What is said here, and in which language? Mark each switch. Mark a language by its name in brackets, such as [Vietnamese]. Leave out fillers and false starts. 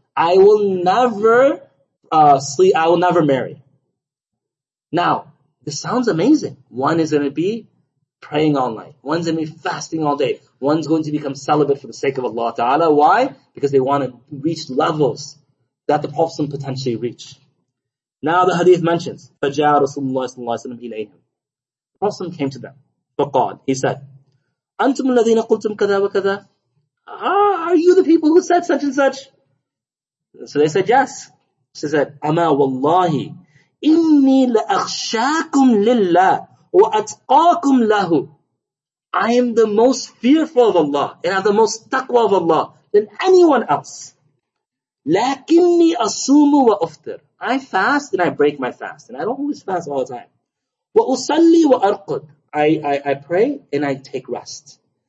[English] I will never sleep, I will never marry. Now, this sounds amazing. One is going to be praying all night. One's going to be fasting all day. One's going to become celibate for the sake of Allah Ta'ala. Why? Because they want to reach levels that the Prophet can potentially reach. Now the hadith mentions, [Arabic] فَجَاءَ رَسُولُ اللَّهِ صَلَّى اللَّهُ عَلَيْهِ وَسَلَّمَ إِلَيْهِمْ. [English] The Prophet came to them. [Arabic] فَقَالَ. [English] He said, [Arabic] أَنْتُمُ الَّذِينَ قُلْتُمْ كَذَا وَكَذَا. [English] Are you the people who said such and such? So they said, yes. She said, [Arabic] أَمَا وَاللَّهِ إِنِّي لَأَخْشَاكُمْ لِلَّهِ وَأَتْقَاكُمْ لَهُ. [English] I am the most fearful of Allah and have the most taqwa of Allah than anyone else. [Arabic] لَكِنِّي أَصُومُ وَأُفْتِرْ. [English] I fast and I break my fast. And I don't always fast all the time. [Arabic] وَأُصَلِّي وَأَرْقُدْ. [English] I pray and I take rest.